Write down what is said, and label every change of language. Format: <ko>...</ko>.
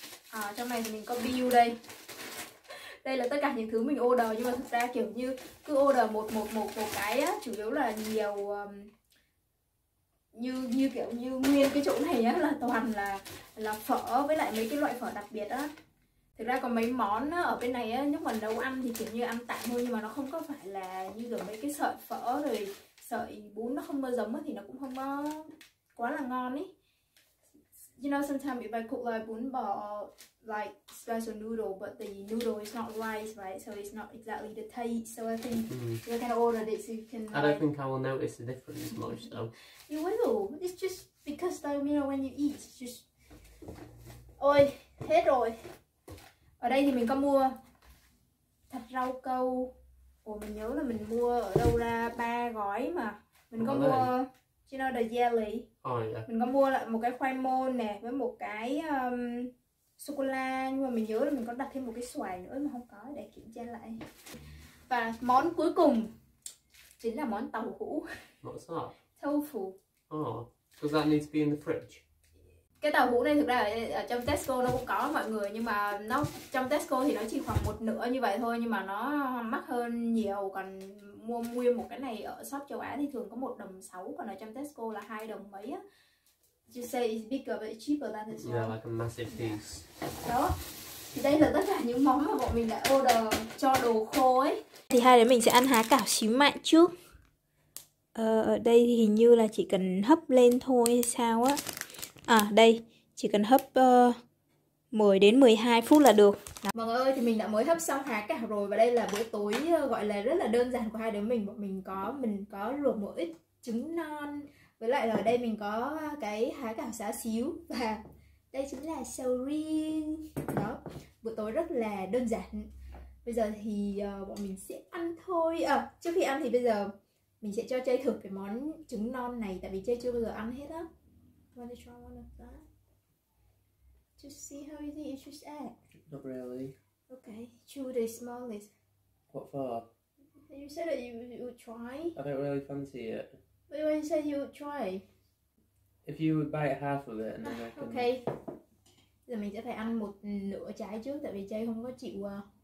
<vi>À, trong này thì mình có bill đây. Đây là tất cả những thứ mình order nhưng mà thực ra kiểu như cứ order một cái á, chủ yếu là nhiều như kiểu như nguyên cái chỗ này á là toàn là phở với lại mấy cái loại phở đặc biệt á. Thực ra có mấy món á, ở bên này á nếu mà nấu ăn thì kiểu như ăn tạm thôi nhưng mà nó không có phải là như kiểu mấy cái sợi phở rồi sợi bún nó không bao giống á thì nó cũng không có quá là ngon ý.</vi> <en>You know sometimes if I cook like bún bò like special noodle but the noodle is not rice right so it's not exactly the taste so I think you can order this you can I don't think I will notice the difference much though. You will. It's just because like you know when you eat it's just</en> <vi>ôi hết rồi. Ở đây thì mình có mua thịt rau câu. Ủa mình nhớ là mình mua ở đâu ra ba gói mà mình có mua.</vi> <en>You know the jelly. Oh, yeah.</en> <vi>Mình có mua lại một cái khoai môn nè với một cái sô cô la nhưng mà mình nhớ là mình có đặt thêm một cái xoài nữa mà không có để kiểm tra lại. Và món cuối cùng chính là món tàu hũ.</vi> <en>What's that? Tofu. Oh, does that need to be in the fridge?</en> <vi>Cái tàu hũ này thực ra ở trong Tesco nó cũng có mọi người nhưng mà nó trong Tesco thì nó chỉ khoảng một nửa như vậy thôi nhưng mà nó mắc hơn nhiều. Còn mua nguyên một cái này ở shop châu Á thì thường có một đồng sáu còn ở trong Tesco là hai đồng mấy á.</vi> <en>You say it's bigger but it's cheaper than this one. Yeah, like a massive piece.</en> <vi>Đó. Thì đây là tất cả những món mà bọn mình đã order cho đồ khô ấy. Thì hai đứa mình sẽ ăn há cảo xí mặn trước. Ở đây thì hình như là chỉ cần hấp lên thôi hay sao á. À đây, chỉ cần hấp 10 đến 12 phút là được. Đó. Mọi người ơi, thì mình đã mới hấp xong há cảo rồi và đây là bữa tối gọi là rất là đơn giản của hai đứa mình. Mình có luộc một ít trứng non. Với lại là ở đây mình có cái há cảo xá xíu và đây chính là sầu riêng. Đó, bữa tối rất là đơn giản. Bây giờ thì bọn mình sẽ ăn thôi. À, trước khi ăn thì bây giờ mình sẽ cho chơi thử cái món trứng non này tại vì chơi chưa bao giờ ăn hết á.</vi> <en>Want to try one of that? To see how easy it should act? Not really. Okay, chew the smallest. What for? You said that you would try. I don't really fancy it. Wait, what did you say you would try? If you would bite half of it and then I can... Okay.</en> <vi>Giờ mình sẽ phải ăn một nửa trái trước tại vì Jay không có chịu à.</vi>